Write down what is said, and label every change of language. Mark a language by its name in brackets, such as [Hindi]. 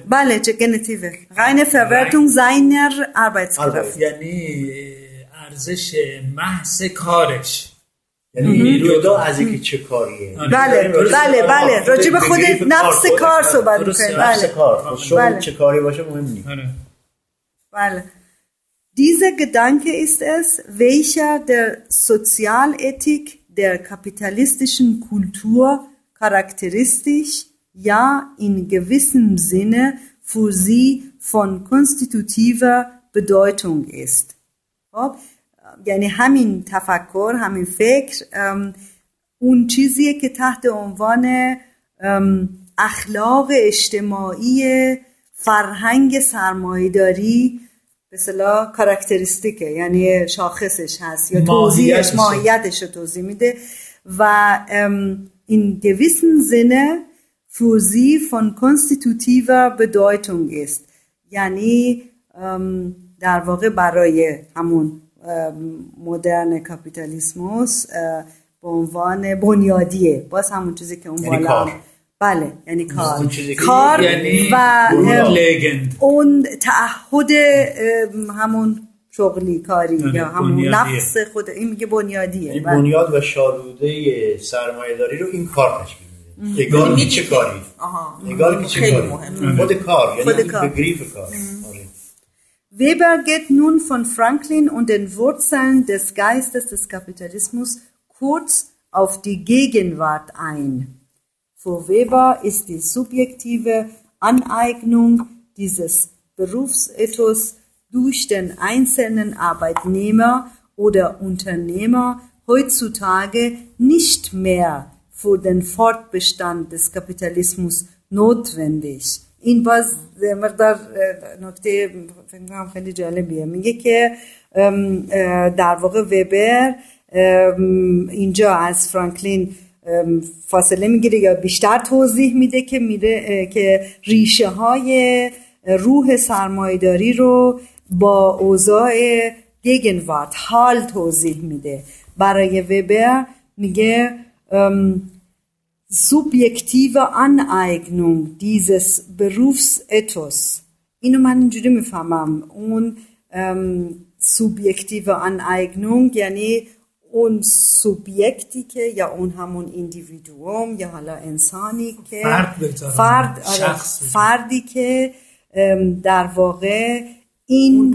[Persian] بله چه گنتیو غین فورتون زاینر آرباتسکرافت، یعنی ارزش محض کارش، یعنی جدا از اینکه چه کاریه. بله بله بله راجع به خود نفس کار صحبت میکنه. بله کار شغل چه کاری باشه مهم نیست. [German] بله Dieser Gedanke ist es, welcher der Sozialethik der kapitalistischen Kultur charakteristisch, ja in gewissem Sinne für sie von konstitutiver Bedeutung ist. [Persian] خب یعنی همین تفکر، همین فکر اون چیزیه که تحت عنوان اخلاق اجتماعی فرهنگ سرمایه‌داری به اصطلاح کاراکتریستیکه، یعنی شاخصش هست یا توضیحش ماهیتش رو توضیح میده و این [German] gewissen Sinne für sie von konstitutiver Bedeutung ist، [Persian] یعنی در واقع برای همون مدرن کاپیتالیسموس به عنوان بنیادیه، باز همون چیزی که اون بالا بله یعنی کار یعنی و لگند اون تعهد همون شغلی کاری یا همون بنیادیه. نفس خود این میگه بنیادیه، یعنی بنیاد و شالوده سرمایه داری رو این کار تشکیل میده، نگار که چه کاری، نگار که چه کاری، خود کار یعنی بگریف کار. [German] Weber geht nun von Franklin und den Wurzeln des Geistes des Kapitalismus kurz auf die Gegenwart ein. Für Weber ist die subjektive Aneignung dieses Berufsethos durch den einzelnen Arbeitnehmer oder Unternehmer heutzutage nicht mehr für den Fortbestand des Kapitalismus notwendig. [Persian] این باز مقدار نکته فکر کنم خیلی جالبیه. میگه که در واقع وبر اینجا از فرانکلین فاصله میگیره یا بیشتر توضیح میده که میره که ریشه های روح سرمایه‌داری رو با اوضاع گگنوارت حال توضیح میده. [German] برای وبر میگه subjektive Aneignung dieses Berufsethos. [Persian] اینو من اینجوری میفهمم. اون [German] subjektive Aneignung [Persian] یعنی اون سوبیکتی که یا اون همون اندیویدوم یا حالا انسانی که فرد بهتره فرد شخص فردی که در واقع این